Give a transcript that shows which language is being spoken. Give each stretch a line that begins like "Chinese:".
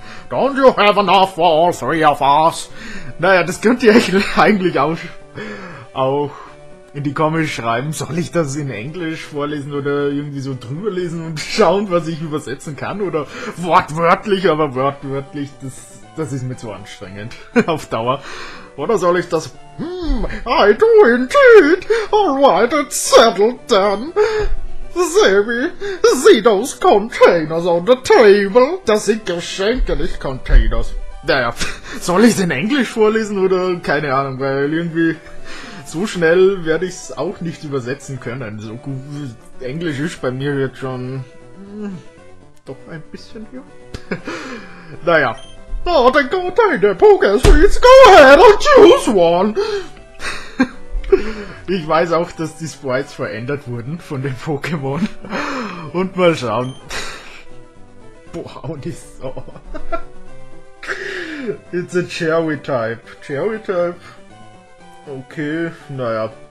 English: Don't you have enough for all three of us?
German: Naja, das könnt ihr eigentlich auch in die Comics schreiben. Soll ich das in Englisch vorlesen oder irgendwie so drüber lesen und schauen, was ich übersetzen kann? Oder wortwörtlich, aber wortwörtlich, das ist mir zu anstrengend auf Dauer. Oder soll ich das...
English: I do indeed. Alright, it's settled then. Sammy,
German: sieh
English: those containers on the table.
German: Das sind Geschenke, nicht Containers. Naja, soll ich es in Englisch vorlesen oder keine Ahnung, weil irgendwie so schnell werde ich es auch nicht übersetzen können. So gut, Englisch ist bei mir jetzt schon... doch ein bisschen hier. Naja.
English: Oh, then go take the Pokésweets, go ahead and choose one!
German: Ich weiß auch, dass die Sprites verändert wurden von den Pokémon. Und mal schauen. Boah, und ist so.
English: It's a Cherry Type. Cherry Type? Okay, naja.